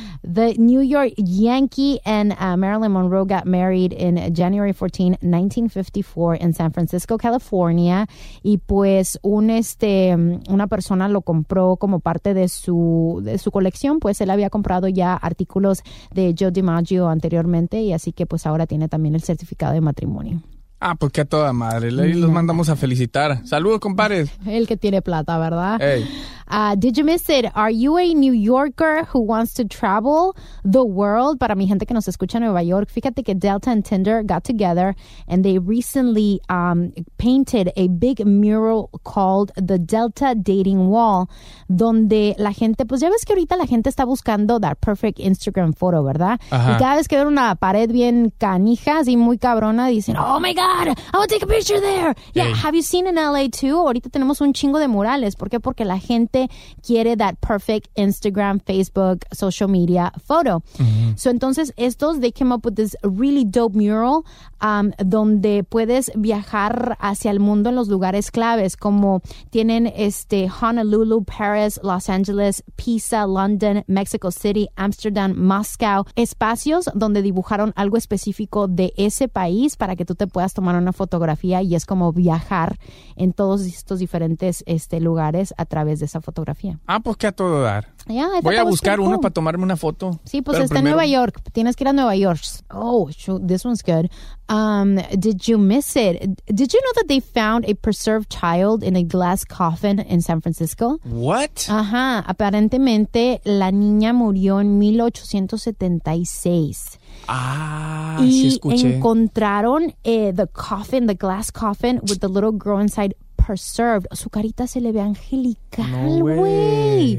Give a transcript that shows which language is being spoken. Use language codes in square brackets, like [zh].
[en] The New York Yankee and Marilyn Monroe got married in January 14, 1954 in San Francisco, California. [es] Y pues una persona lo compró como parte de su colección. Pues él había comprado ya artículos de Joe DiMaggio anteriormente y así que pues ahora tiene también el certificado de matrimonio. Ah, pues que a toda madre. Ahí los mandamos a felicitar. Saludos, compadres. El que tiene plata, ¿verdad? [en] Hey. Did you miss it? Are you a New Yorker who wants to travel the world? [es] Para mi gente que nos escucha en Nueva York, fíjate que [en] Delta and Tinder got together and they recently painted a big mural called the Delta Dating Wall, [es] donde la gente, pues ya ves que ahorita la gente está buscando [en] that perfect Instagram photo, [es] ¿verdad? Ajá. Y cada vez que ven una pared bien canija, así muy cabrona, dicen, [en] oh my God, I want to take a picture there. Yeah, hey. Have you seen in LA too? [es] Ahorita tenemos un chingo de murales. ¿Por qué? Porque la gente quiere [en] that perfect Instagram, Facebook, social media photo. [es] Mm-hmm. So entonces estos, [en] they came up with this really dope mural [es] donde puedes viajar hacia el mundo en los lugares claves, como tienen Honolulu, Paris, Los Angeles, Pisa, London, Mexico City, Amsterdam, Moscow, espacios donde dibujaron algo específico de ese país para que tú te puedas tomar una fotografía y es como viajar en todos estos diferentes lugares a través de esa fotografía. fotografía. Ah, pues que a todo dar. Ya, voy a buscar uno para tomarme una foto. Sí, pues está en Nueva York. Tienes que ir a Nueva York. [en] Oh, shoot, this one's good. Did you miss it? Did you know that they found a preserved child in a glass coffin in San Francisco? What? [es] Ajá, aparentemente la niña murió en 1876. Ah, y sí escuché. Encontraron [en] the coffin, the glass coffin, with the little girl inside preserved. [es] Su carita se le ve angelical, güey.